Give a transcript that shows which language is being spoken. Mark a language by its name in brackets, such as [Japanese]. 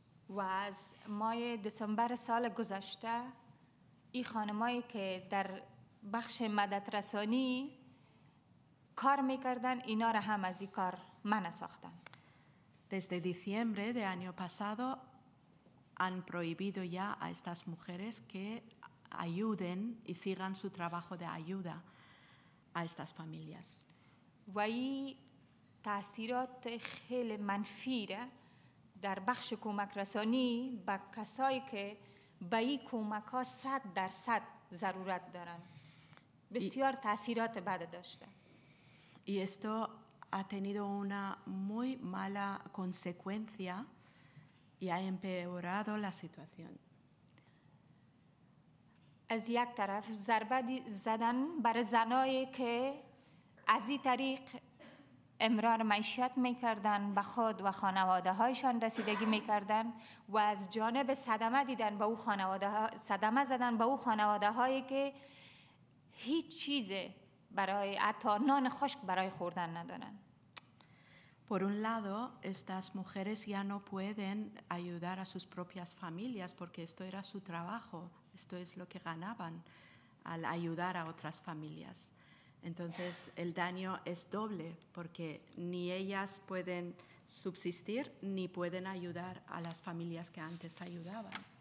[Persian] Was mai desember sal gozashta i khanemai ke dar bakhsh madad rasani کار میکردن اینا را هم از این کار من ساختن. [Spanish] Desde diciembre de año pasado han prohibido ya a estas mujeres que ayuden y sigan su trabajo de ayuda a estas familias. [Persian] و این تأثیرات خیلی منفی را در بخش کمک رسانی به کسایی که به این کمک ها 100% ضرورت دارن. بسیار تأثیرات بد داشته. [Spanish] Y esto ha tenido una muy mala consecuencia y ha empeorado la situación. [Persian] از یک طرف ضربه زدن بر زنایی که از این طریق امرار معیشت میکردن به خود و خانواده هایشان رسیدگی میکردن و از جانب صدمه دیدن به او خانواده ها صدمه زدن به او خانواده هایی که هیچ چیزی برای حتی نان خشک برای خوردن ندارن. [Spanish] Por un lado, estas mujeres ya no pueden ayudar a sus propias familias porque esto era su trabajo, esto es lo que ganaban al ayudar a otras familias. Entonces, el daño es doble porque ni ellas pueden subsistir ni pueden ayudar a las familias que antes ayudaban.